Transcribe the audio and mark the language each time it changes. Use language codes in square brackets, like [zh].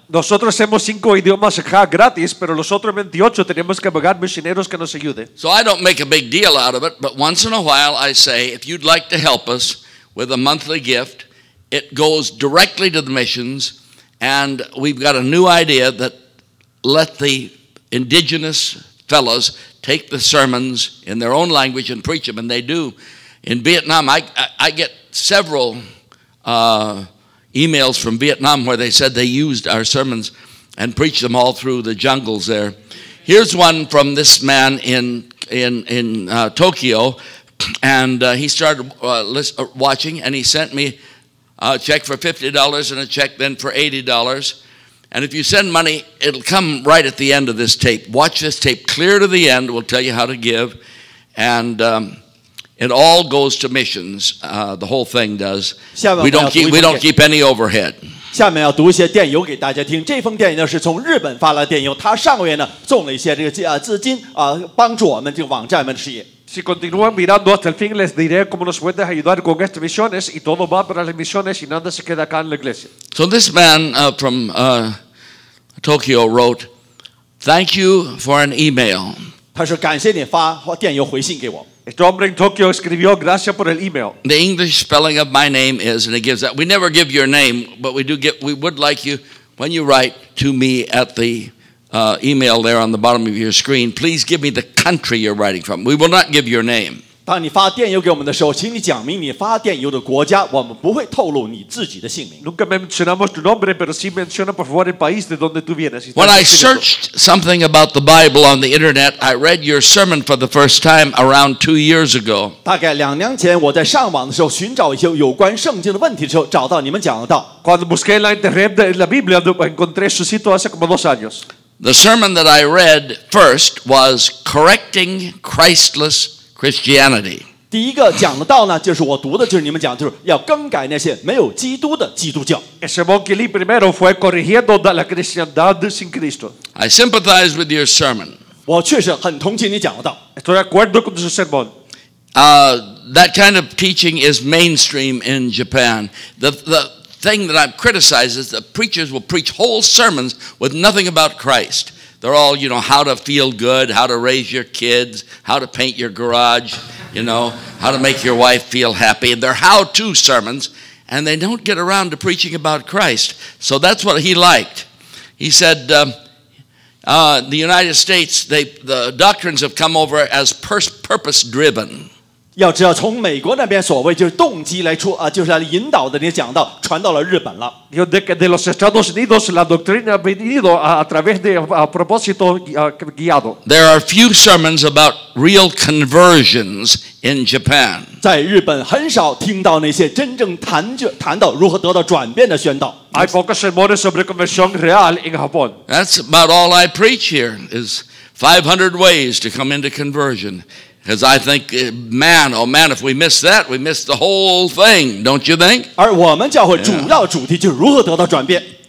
[es] Nosotros hemos 5 idiomas acá gratis, pero los otros 28 tenemos que pagar misioneros que nos ayuden. [en] So I don't make a big deal out of it, but once in a while I say, if you'd like to help us with a monthly gift, it goes directly to the missions, and we've got a new idea that let the indigenous fellows take the sermons in their own language and preach them, and they do. In Vietnam, I get several emails from Vietnam where they said they used our sermons and preach them all through the jungles there. Here's one from this man in Tokyo, and he started watching, and he sent me a check for $50 and a check then for $80. And if you send money, it'll come right at the end of this tape. Watch this tape clear to the end. We'll tell you how to give. And it all goes to missions, the whole thing does. We don't keep any overhead. [zh] 下面要读一些电邮给大家听。这封电邮是从日本发来电邮，他上个月呢送了一些这个资金啊，帮助我们这个网站们的事业。 [es] Si continúan mirando hasta el fin, les diré cómo nos puedes ayudar con estas misiones y todo va para las misiones y nada se queda acá en la iglesia. [en] So this man from Tokyo wrote, "Thank you for an email." [zh] 他说感谢你发电邮回信给我。 [es] Este hombre en Tokio escribió gracias por el email. [en] The English spelling of my name is, and it gives that. We never give your name, but we would like you, when you write to me at the email there on the bottom of your screen, please give me the country you're writing from. We will not give your name. [zh] 当你发电邮给我们的时候，请你讲明你发电邮的国家，我们不会透露你自己的姓名。 [es] Nunca mencionamos tu nombre, pero sí menciona por favor el país de donde tú vienes. [en] When I searched something about the Bible on the internet, I read your sermon for the first time around 2 years ago. [zh] 大概两年前，我在上网的时候寻找一些有关圣经的问题的时候，找到你们讲的道。 [es] Cuando busqué la internet de la Biblia, encontré su sitio hace como dos años. [en] The sermon that I read first was correcting Christless Christianity. [zh] 第一个讲的道呢，就是我读的，就是你们讲，就是要更改那些没有基督的基督教。 [es] El sermón que leí primero fue corrigiendo la cristiandad sin Cristo. [en] I sympathize with your sermon. [zh] 我确实很同情你讲的道。 [es] Estoy de acuerdo con tu sermón. [en] That kind of teaching is mainstream in Japan. The thing that I criticize is that preachers will preach whole sermons with nothing about Christ. They're all, you know, how to feel good, how to raise your kids, how to paint your garage, you know, how to make your wife feel happy. They're how-to sermons, and they don't get around to preaching about Christ. So that's what he liked. He said, the United States, the doctrines have come over as purpose-driven. [zh] 要知道从美国那边所谓就是动机来出啊，就是来引导的那些讲道传到了日本了。 [es] De los Estados Unidos, la doctrina ha venido a través de propósito guiado. [en] There are few sermons about real conversions in Japan. [zh] 在日本很少听到那些真正谈到如何得到转变的宣道。 [en] I focus more [es] sobre conversión real [en] in Japón. That's about all I preach here is 500 ways to come into conversion. Because I think, man, oh man, if we miss that, we miss the whole thing, don't you think? [zh] 而我们教会主要主题就是如何得到转变。